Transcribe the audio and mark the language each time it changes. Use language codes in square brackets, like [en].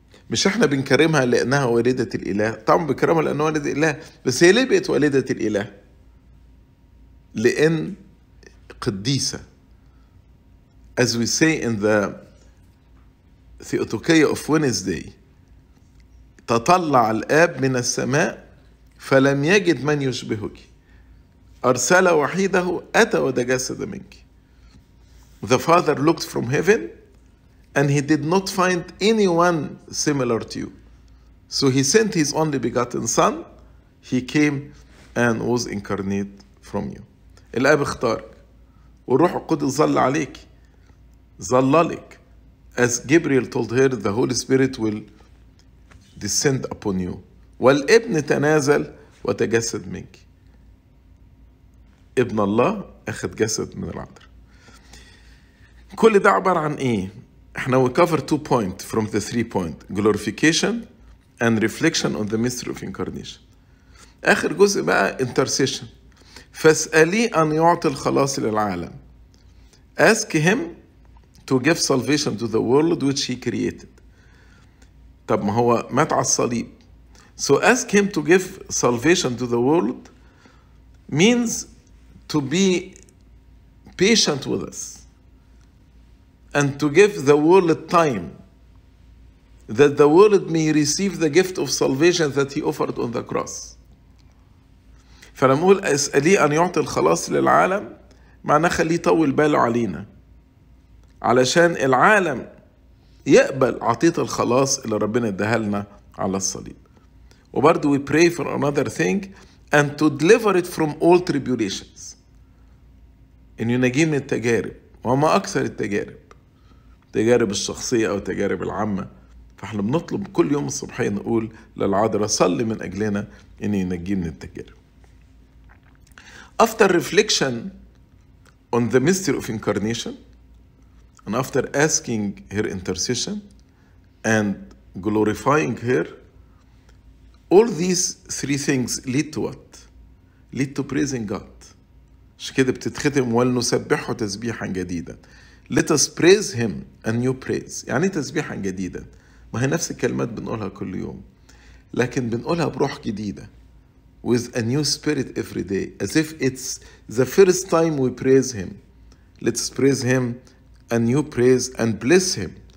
[ar] مش احنا بنكرمها لانها والدة الاله، طبعا بنكرمها لانها والدة الاله، بس هي ليه بقت والدة الاله؟ لان قديسة. [en] As we say in the [ar] ثيوتوكية [en] of Wednesday، [ar] تطلع الاب من السماء فلم يجد من يشبهك. ارسل وحيده اتى وتجسد منك. [en] The father looked from heaven and he did not find anyone similar to you. So he sent his only begotten son. He came and was incarnate from you. [ar] الاب اختارك والروح القدس ظل عليك. ظللك. [en] As Gabriel told her, the Holy Spirit will descend upon you. [ar] والابن تنازل وتجسد منك. ابن الله اخذ جسد من العذراء. كل ده عبارة عن ايه؟ احنا [en] we cover two points from the three points. Glorification and reflection on the mystery of incarnation. [ar] اخر جزء بقى intercession. فاسألي ان يعطي الخلاص للعالم. [en] Ask him to give salvation to the world which he created. [ar] طب ما هو مات على الصليب. [en] So ask him to give salvation to the world means to be patient with us. And to give the world time that the world may receive the gift of salvation that he offered on the cross. [ar] فلما أقول أسألي أن يعطي الخلاص للعالم معناه خليه يطول باله علينا علشان العالم يقبل عطية الخلاص اللي ربنا ادهلنا على الصليب. وبرضو [en] we pray for another thing and to deliver it from all tribulations. [ar] إن ينجي من التجارب وما أكثر التجارب. تجارب الشخصية أو تجارب العامة. فاحنا بنطلب كل يوم الصبحية نقول للعذراء صلي من أجلنا إن ينجي من التجارب. [en] After reflection on the mystery of incarnation and after asking her intercession and glorifying her, all these three things lead to what? Lead to praising God. [ar] مش كده بتتختم ولنسبحه تسبيحا جديدا. [en] Let us praise him a new praise. [ar] يعني تسبيحا جديدا. ما هي نفس الكلمات بنقولها كل يوم. لكن بنقولها بروح جديدة. [en] With a new spirit every day. As if it's the first time we praise him. Let us praise him a new praise and bless him.